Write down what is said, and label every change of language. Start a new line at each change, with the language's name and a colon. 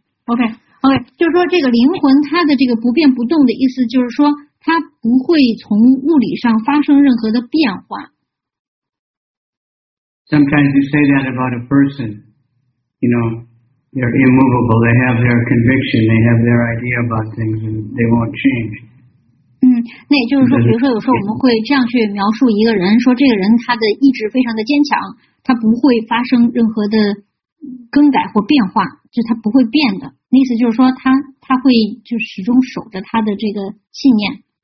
Chinese: OK. 就是说这个灵魂它的这个不变不动的意思就是说它不会从物理上发生任何的变化。
English: Sometimes you say that about a person. You know, they're immovable. They have their conviction. They have their idea about things and they won't change.
Chinese: 那也就是说，比如说有时候我们会这样去描述一个人，说这个人他的意志非常的坚强，他不会发生任何的更改或变化，就他不会变的。那意思就是说他会就始终守着他的这个信念。